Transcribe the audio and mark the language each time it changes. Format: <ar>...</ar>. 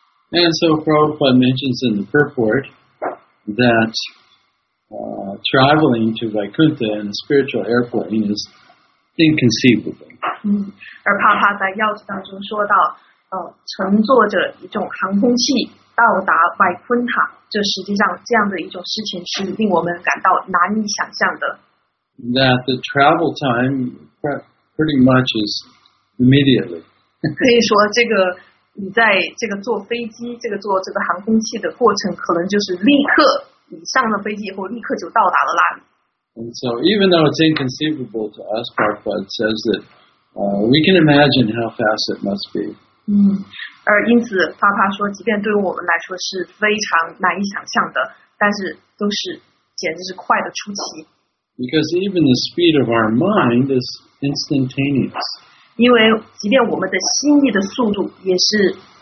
<en>And so Prabhupada mentions in the purport that. Traveling to Vaikuntha in a spiritual airplane is inconceivable.</en> <zh>而帕帕在要旨当中说到，乘坐着一种航空器到达百昆塔，这实际上这样的一种事情是令我们感到难以想象的。</zh> <en>That the travel time pretty much is immediately.</en> <zh>可以说这个你在这个坐飞机，这个坐这个航空器的过程，可能就是立刻。你上了飞机以后，立刻就到达了那里。</zh> <en>And so, even though it's inconceivable to us, Prabhupada says that we can imagine how fast it must be.</en> <zh>而因此，帕帕说，即便对我们来说是非常难以想象的，但是都是简直是快得出奇。</zh> <en>Because even the speed of our mind is instantaneous.</en> <zh>因为即便我们的心意的速度也是</zh>